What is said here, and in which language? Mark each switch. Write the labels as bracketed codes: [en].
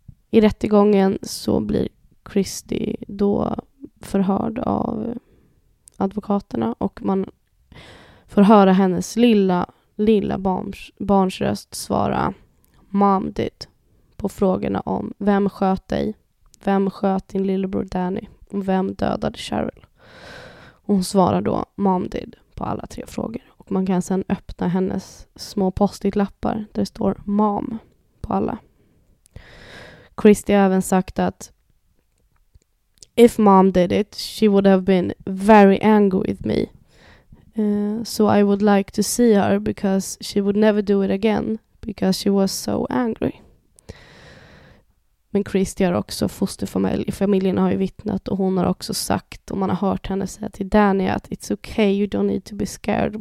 [sv] I rättegången så blir Christy då förhörd av advokaterna och man får höra hennes lilla barns röst svara [en] "Mom did" [sv] på frågorna om vem sköt dig, vem sköt din lillebror Danny och vem dödade Cheryl. Hon svarar då [en] "Mom did" [sv] på alla 3 frågor och man kan sedan öppna hennes små postitlappar där det står "Mom" på alla. Christy har även sagt att [en] "If mom did it, she would have been very angry with me. So I would like to see her because she would never do it again because she was so angry." [sv] Men Christy har också fosterfamilj. Familjen har ju vittnat och hon har också sagt och man har hört henne säga till Danny att [en] "It's okay, you don't need to be scared.